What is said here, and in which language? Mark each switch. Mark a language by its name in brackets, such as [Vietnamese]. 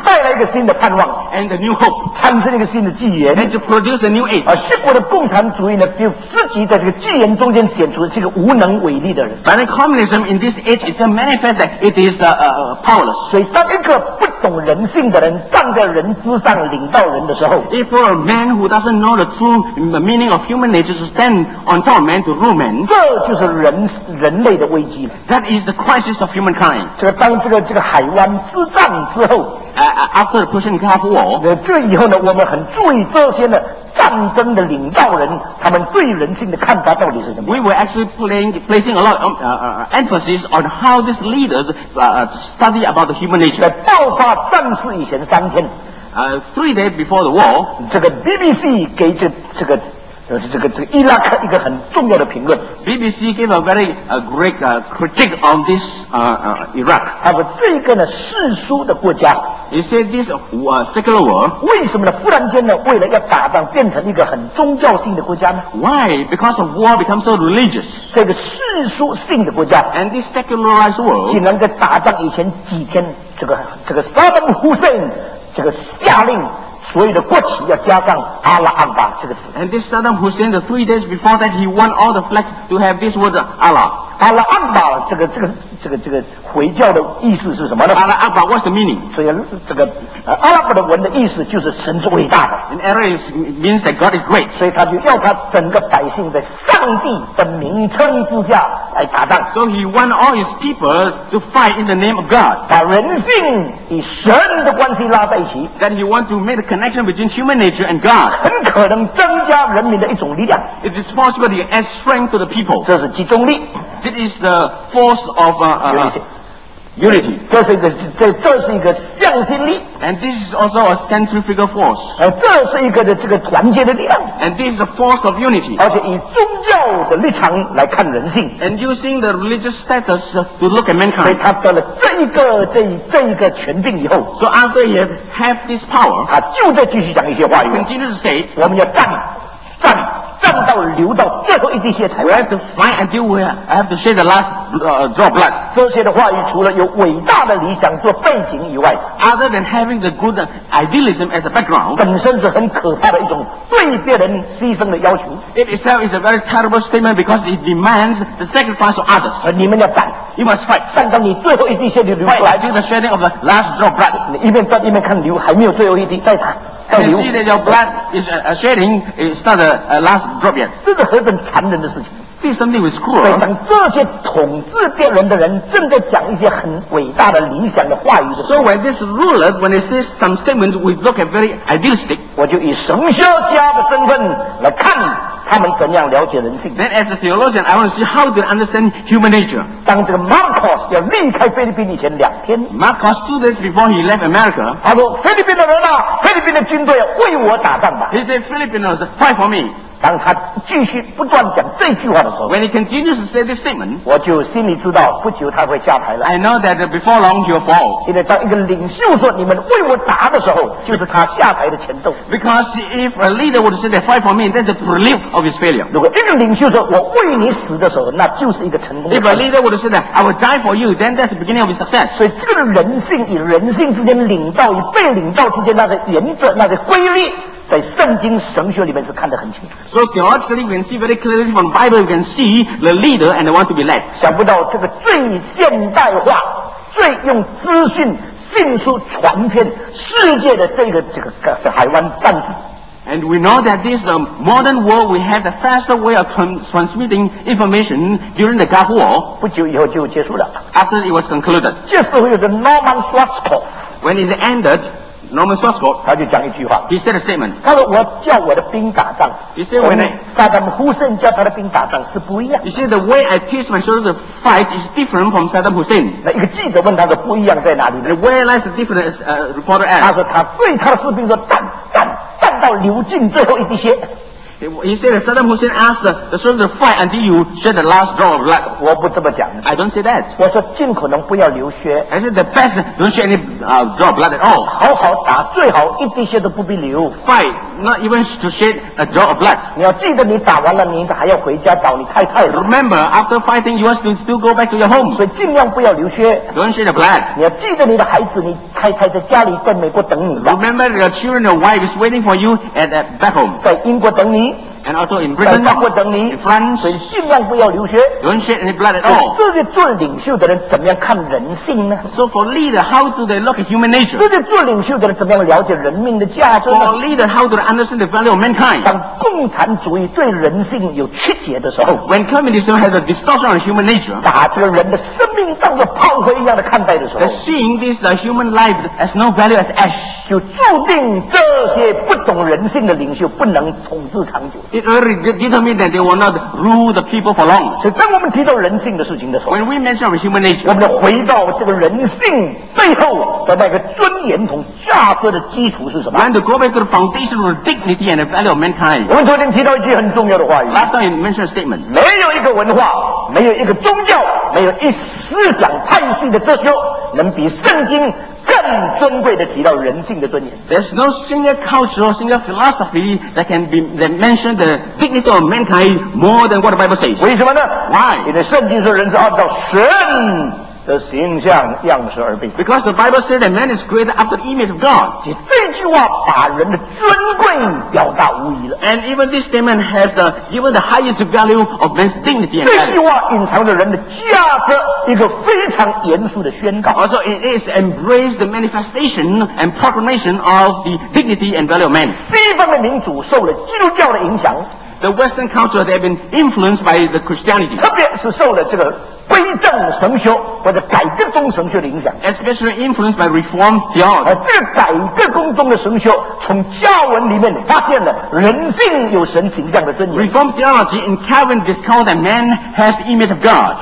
[Chinese] 带来一个新的盼望 [English] and a new hope [Chinese] 产生一个新的纪元 [English] and to produce a new age [Chinese] 而结果的共产主义呢就自己在这个纪元中间显出是一个无能为力的人 [English] but in communism in this age it's a manifest that it is powerless [Chinese] 所以当一个不懂人性的人站在人之上领导人的时候 [English] if for a man who doesn't know the true meaning of human nature to stand on top of man to rule man [Chinese] 这就是人类的危机 [English] that is the crisis of humankind [Chinese] 这个当这个海湾之战之后 [English] after the Persian Gulf War [Chinese] 这以后呢我们很注意这些呢战争的领导人他们对人性的看法到底是什么 [English] We were actually placing a lot of emphasis on how these leaders study about the human nature [Chinese] 在爆发战事以前三天 [English] 3 days before the war, [Chinese] 这个 BBC 给这个伊拉克一个很重要的评论。 [English] BBC gave a very a great critique on this Iraq. [Chinese] 他说这个呢世俗的国家。 [English] He said this secular world. [Chinese] 为什么呢？忽然间呢，为了要打仗，变成一个很宗教性的国家呢 [English] ？Why? Because of war becomes so religious. [Chinese] 这个世俗性的国家。 [English] And this secularized world. [Chinese] 竟然在打仗以前几天，这个萨达姆·胡塞这个下令。所有的国旗要加上阿拉阿巴这个词。 [English] And this Saddam Hussein, the 3 days before that, he want all the flags to have this word, Allah. [Chinese] 阿拉阿巴这个回教的意思是什么呢？ [English] 阿拉阿巴 what's the meaning? [Chinese] 所以这个阿拉伯的文的意思就是神是伟大的。 [English] And Arabic means that God is great. [Chinese] 所以他就要他整个百姓在上帝的名称之下来打仗。 [English] So he want all his people to fight in the name of God. [Chinese] 把人性与神的关系拉在一起。 [English] Then he want to make a connection between human nature and God. [Chinese] 很可能增加人民的一种力量。 [English] It is possible to add strength to the people. [Chinese] 这是集中力。 [English] This is the force of unity. [Chinese] 这是一个向心力。 [English] And this is also a centrifugal force. [Chinese] 这是一个的这个团结的力量。 [English] And this is a force of unity. [Chinese] 而且以宗教的立场来看人性。 [English] And using the religious status to look at mankind. [Chinese] 所以他得了这一个权柄以后。 [English] So after he have this power, [Chinese] 他就再继续讲一些话语。 [English] Continue to say, [Chinese] 我们要战。战到流到最后一滴血才完。 [English] We have to fight until we have to shed the last drop of blood. [Chinese] 这些的话语除了有伟大的理想做背景以外 [English] ，other than having the good idealism as a background， [Chinese] 本身是很可怕的一种对别人牺牲的要求。 [English] It itself is a very terrible statement because it demands the sacrifice of others. [Chinese] 你们要战 [English] ，you must fight， [Chinese] 战到你最后一滴血流出来 [English] ，fight until the shedding of the last drop of blood。 [Chinese] 你一边战一边看流，还没有最后一滴在打。 [English] You can see that your blood is shedding, it's not the last drop yet. [Chinese] 这是何等残忍的事情。 [English] This is something which is cruel. [Chinese] 对，当这些统治别人的人正在讲一些很伟大的理想的话语的时候。 [English] So when this ruler, when he says some statement, we look at very idealistic. [Chinese] 我就以神学家的身份来看他们怎样了解人性。 [English] Then as a theologian, I want to see how they understand human nature. [Chinese] 当这个 Marcos 要离开菲律宾以前两天 [English] ，Marcos 2 days before he left America， [Chinese] 他说：“菲律宾的人啊，菲律宾的军队为我打仗吧。 [English] ”He said, "Filipinos, fight for me." [Chinese] 当他继续不断讲这句话的时候 [English] ，When he continues to say this statement， [Chinese] 我就心里知道不久他会下台了。 [English] I know that before long he'll fall. [Chinese] 因为当一个领袖说你们为我打的时候，就是他下台的前奏。 [English] Because if a leader would say, "Fight for me," that's the prelude of his failure. [Chinese] 如果一个领袖说我为你死的时候，那就是一个成功的。 [English] If a leader would say, "I will die for you," then that's the beginning of his success. [Chinese] 所以这个人性与人性之间，领导与被领导之间，那个原则，那个规律。在圣经神学里面是看得很清楚。 [English] So theologically, we can see very clearly from the Bible, we can see the leader and the one to be led. [Chinese] 想不到这个最现代化、最用资讯迅速传遍世界的这个海湾战场。 [English] And we know that this modern world, we have the faster way of transmitting information during the Gulf War. [Chinese] 不久以后就结束了。 [English] After it was concluded. [Chinese] 这时候有个 Norman Schwarzkopf. [English] When it ended. Norman Schwarzkopf, [Chinese] 他就讲一句话。 [English] He said a statement. [Chinese] 他说我叫我的兵打仗。 [English] He said when [Chinese] Saddam Hussein 叫他的兵打仗是不一样。 [English] He said the way I teach my soldiers to fight is different from Saddam Hussein. [Chinese] 那一个记者问他的不一样在哪里呢 [English] ？The way lies different as reporter asked. [Chinese] 他说他对他的士兵说战战战到流尽最后一滴血。 [English] He said Saddam Hussein asked the soldiers to fight until you shed the last drop of blood. [Chinese] 我不这么讲。 [English] I don't say that. [Chinese] 我说尽可能不要流血。 [English] I said the best don't shed any drop of blood at all. [Chinese] 好好打，最好一滴血都不必流。 [English] Fight, not even to shed a drop of blood. [Chinese] 你要记得你打完了，你还要回家找你太太。 [English] Remember, after fighting, you have to still go back to your home. [Chinese] 所以尽量不要流血。 [English] Don't shed the blood. [Chinese] 你要记得你的孩子，你太太在家里在美国等你。 [English] Remember, your children, your wife is waiting for you at that back home. [Chinese] 在英国等你。 [English] And also in Britain, [Chinese] 在法国等你 [English] in France, [Chinese] 所以尽量不要流血 [English] Don't shed any blood at all [Chinese] 这些做领袖的人怎么样看人性呢 [English] So for leader, how do they look at human nature? [Chinese] 这些做领袖的人怎么样了解人命的价值呢 [English] For leader, how do they understand the value of mankind? [Chinese] 当共产主义对人性有曲解的时候 [English] When communism has a distortion on human nature [Chinese] 打这个人的生命当作炮灰一样的看待的时候 [English] the seeing this human life has no value as ash [Chinese] 就注定这些不懂人性的领袖不能统治长久 [English] it already determined that they will not rule the people for long [Chinese] 所以当我们提到人性的事情的时候 [English] when we mention human nature [Chinese] 我们要回到这个人性背后的那个尊严同价值的基础是什么 [English] we have to go back to the foundation of dignity and the value of mankind [Chinese] 我们昨天提到一句很重要的话 [English] last time you mentioned a statement [Chinese] 没有一个文化没有一个宗教没有一思想派系的哲学能比圣经更尊贵的提到人性的尊严 [English] There's no single culture or single philosophy that can be that mentioned the dignity of mankind more than what the Bible says [Chinese] 为什么呢 [English] Why? [Chinese] 因为圣经说人是按照神的形象样式而定 [English] Because the Bible says that man is created after the image of God [Chinese] 这句话把人的尊贵表达无疑了 [English] And even this statement has the, given the highest value of man's dignity and value [Chinese] 这句话隐藏着人的价值一个非常严肃的宣告 [English] Also it is embraced the manifestation and proclamation of the dignity and value of man [Chinese] 西方的民主受了基督教的影响 [English] The Western culture they have been influenced by the Christianity [Chinese] 特别是受了这个归正神学或者改革宗神学的影响 [English] especially influenced by reform theology [Chinese] 这个改革宗中的神学从加文里面发现了人性有神形象的尊严 [English] reform theology in Calvin discovered that man has the image of God